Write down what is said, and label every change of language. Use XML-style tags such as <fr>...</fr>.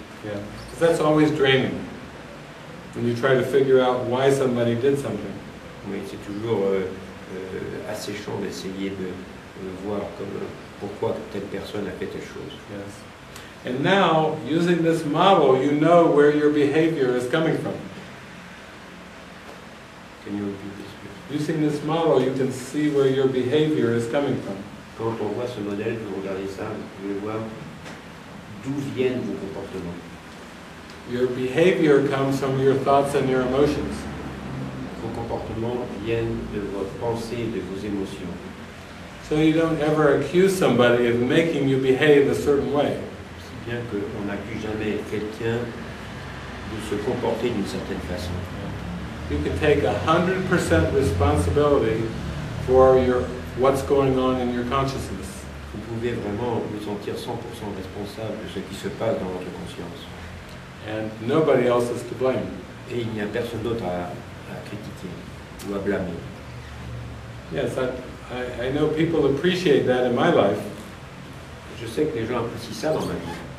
<en>Yeah, because that's always draining. When you try to figure out why somebody did something.</en> <fr>Oui, c'est toujours asséchant d'essayer de voir comme, pourquoi telle personne a fait telle chose. Yes.</fr> <en>And now, using this model, you know where your behavior is coming from. Can you repeat this? Using this model, you can see where your behavior is coming from.</en> <fr>Quand on voit ce modèle, vous regardez ça, vous pouvez voir d'où viennent vos comportements.</fr> <en>Your behavior comes from your thoughts and your emotions.</en> <fr>Vos comportements viennent de votre pensée et de vos émotions.</fr> <en>So you don't ever accuse somebody of making you behave a certain way.</en> <fr>Si bien qu'on n'accuse jamais quelqu'un de se comporter d'une certaine façon.</fr> <en>You can take 100% responsibility for your what's going on in your consciousness.</en> <fr>Vous pouvez vraiment vous sentir 100% responsable de ce qui se passe dans votre conscience.</fr> <en>And nobody else is to blame.</en> <fr>Et il n'y a personne d'autre à critiquer ou à blâmer.</fr> <en>Yes, I know people appreciate that in my life.</en> <fr>Je sais que les gens apprécient ça dans ma vie.</fr>